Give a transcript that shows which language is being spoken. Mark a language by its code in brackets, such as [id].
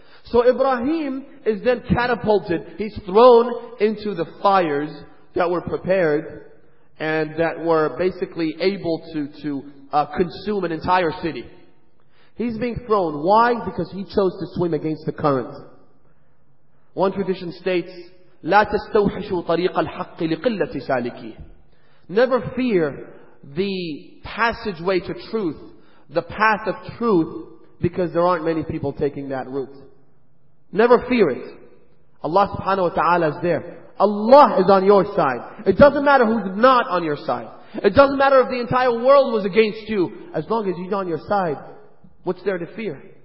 [en] So Ibrahim is then catapulted, he's thrown into the fires that were prepared, and that were basically able to consume an entire city. He's being thrown. Why? Because he chose to swim against the current. One tradition states, [ar] لا تستوحشوا طريق الحق لقلة سالكي. [en] Never fear the passageway to truth, the path of truth, because there aren't many people taking that route. Never fear it. Allah subhanahu wa ta'ala is there. Allah is on your side. It doesn't matter who's not on your side. It doesn't matter if the entire world was against you. As long as he's on your side, What's there to fear?